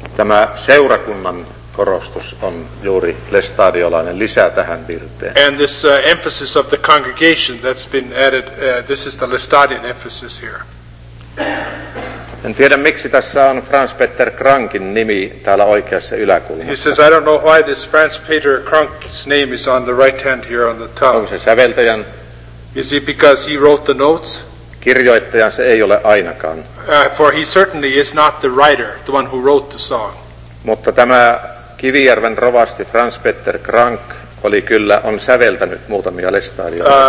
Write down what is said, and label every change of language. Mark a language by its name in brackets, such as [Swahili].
[Finnish] Tämä seurakunnan korostus on juuri lestadiolainen lisä tähän virteen. [English] And this emphasis of the congregation that's been added, this is the Lestadian emphasis here. [Finnish] En tiedä, miksi tässä on Franz Peter Krankin nimi täällä oikeassa yläkulmassa. [English] He says, I don't know why this Franz Peter Krank's name is on the right hand here on the top. [Finnish] Onko se säveltäjän? [English] Is it because he wrote the notes? [Finnish] Kirjoittajan se ei ole ainakaan. [English] For he certainly is not the writer, the one who wrote the song. [Finnish] Mutta tämä Kivijärven rovasti Franz Peter Krank oli kyllä, on säveltänyt muutamia lestadiolaisia.